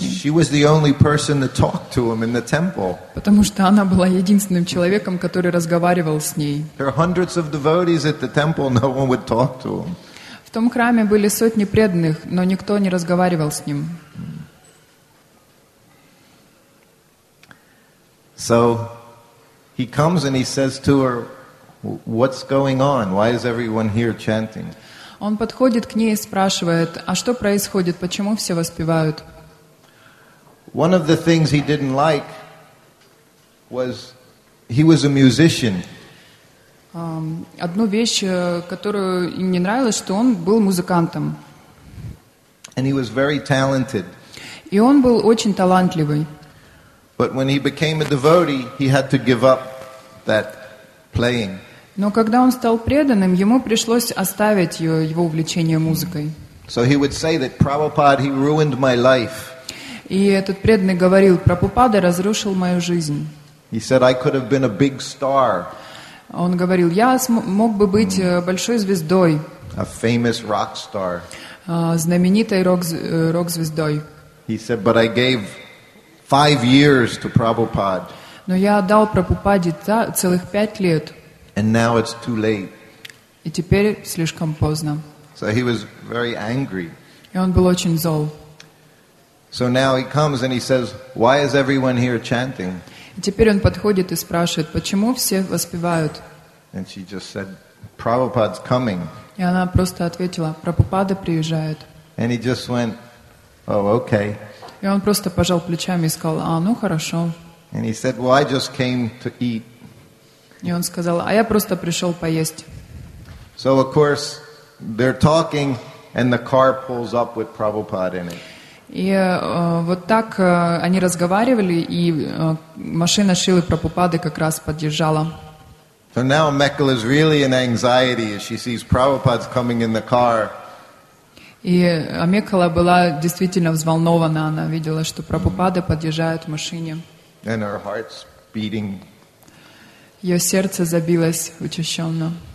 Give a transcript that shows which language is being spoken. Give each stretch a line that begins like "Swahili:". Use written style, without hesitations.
English: She was the only person to talk to him in the temple.
Russian: Потому что она была единственным человеком, который разговаривал с ней.
English: There are hundreds of devotees at the temple, no one would talk to him.
Russian: В том храме были сотни преданных, но никто не разговаривал с ним.
English: So he comes and he says to her, "What's going on? Why is everyone here chanting?"
Russian: Он подходит к ней и спрашивает: "А что происходит? Почему все воспевают?"
English: One of the things he didn't like was he was a musician.
Russian: Одну вещь, которую им не нравилось, что он был музыкантом.
English: And he was very talented.
Russian: И он был очень талантливый.
English: But when he became a devotee, he had to give up that playing.
Russian: Но когда он стал преданным, ему пришлось оставить его увлечение музыкой.
English: So he would say that Prabhupada, he ruined my life.
Russian: И этот преданный говорил: Прабхупада разрушил мою жизнь.
English: He said, I could have been a big star.
Russian: Он говорил: я мог бы быть большой звездой.
English: A famous rock star.
Russian: Знаменитой рок-звездой.
English: He said, but I gave 5 years to Prabhupada.
Russian: Но я отдал Прабхупаде целых 5 лет.
English: And now it's too late.
Russian: И теперь слишком поздно.
English: So he was very angry.
Russian: И он был очень зол.
English: So now he comes and he says, why is everyone here chanting?
Russian: Теперь он подходит и спрашивает, почему все воспевают.
English: And she just said, Prabhupada's coming.
Russian: И она просто ответила: «Прабхупада приезжает».
English: And he just went, oh, okay.
Russian: И он просто пожал плечами и сказал: «А, ну хорошо».
English: And he said, well, I just came to eat.
Russian: И он сказал: «А я просто пришел поесть».
English: So, of course, they're talking, and the car pulls up with Prabhupada in it.
Russian: И вот так они разговаривали, и машина Шрилы Прабхупады как раз подъезжала.
English: So now Mekkal is really in anxiety as she sees Prabhupada's coming in the car.
Russian: И Мекала была действительно взволнована, она видела, что Прабхупада подъезжает в машине.
English: And her heart's beating.
Russian: Ее сердце забилось учащенно.